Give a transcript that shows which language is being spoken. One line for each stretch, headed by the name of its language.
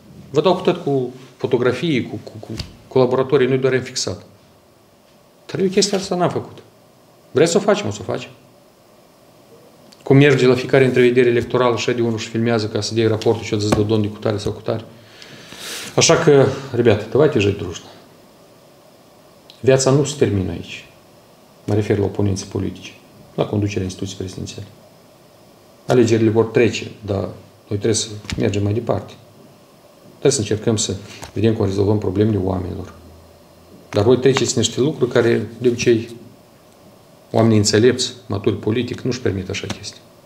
Romanian: Vă dau cu tot cu fotografii, cu colaboratorii, noi doar am fixat. Dar eu chestia asta n-am făcut. Vreți să o facem? O să o facem. Cum merge la fiecare întrevedere electorală, așa de unul și filmează ca să dea raportul și o să-ți dă domnul cu tare sau cu tare. Așa că,
Russian: ребята, давайте жить дружно.
Romanian: Viața nu se termină aici. Mă refer la oponenții politici, la conducerea instituției prezidențiale. Alegerile vor trece, dar noi trebuie să mergem mai departe. Trebuie să încercăm să vedem cum rezolvăm problemele oamenilor. Dar voi treceți niște lucruri care, de obicei, oamenii înțelepți, maturi politic, nu-și permit așa chestii.